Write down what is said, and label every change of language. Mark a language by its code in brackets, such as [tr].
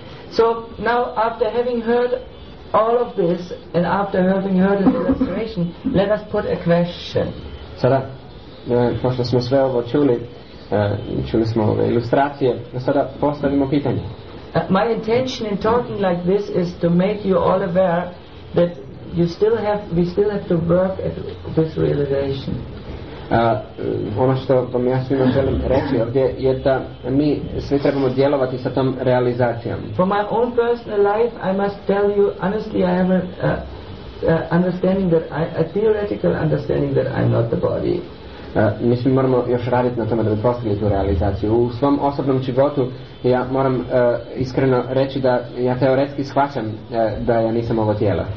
[en] So now after having heard all of this and after having heard an illustration, let us put a question. [hr] Sada, pošto smo sve ovo čuli, čuli smo ove ilustracije, sada postavimo pitanje. [en] My intention in talking like this is to make you all aware that we still have to work at this realization. [hr] Ono što vam ja svima želim reći ovdje je da mi svi trebamo djelovati sa tom realizacijom. [en] For my own personal life, I must tell you honestly, I have a theoretical understanding that I'm not the body. [hr] Mi svi moramo još raditi na tome da bi postigli tu realizaciju. U svom osobnom životu ja moram iskreno reći da ja teoretski shvaćam da ja nisam ovo tijelo.